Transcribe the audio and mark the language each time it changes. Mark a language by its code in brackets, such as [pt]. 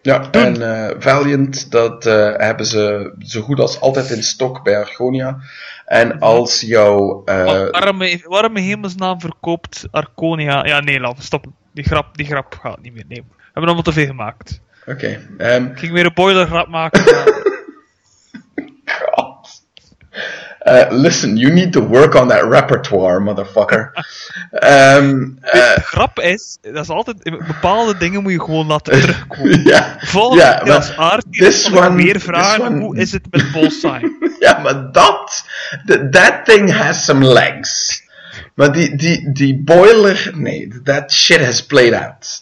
[nl] Ja, en Valiant, dat hebben ze zo goed als altijd in stok bij Argonia. En als jouw... Waarom hemelsnaam verkoopt Argonia? Ja, nee, laat, stop. Die grap gaat niet meer nemen. We hebben allemaal te veel gemaakt. Oké. Ik ging weer een boiler grap maken. [en] Listen, you need to work on that repertoire, motherfucker. [nl] grap is, dat is altijd, bepaalde dingen moet je gewoon laten terugkomen. [en] Yeah, [nl] volgende keer als Aard, dan meer vragen, one... hoe is het met Bullseye? Ja, maar dat, [en] that thing has some legs. [nl] Maar die boiler, nee, [en] that shit has played out.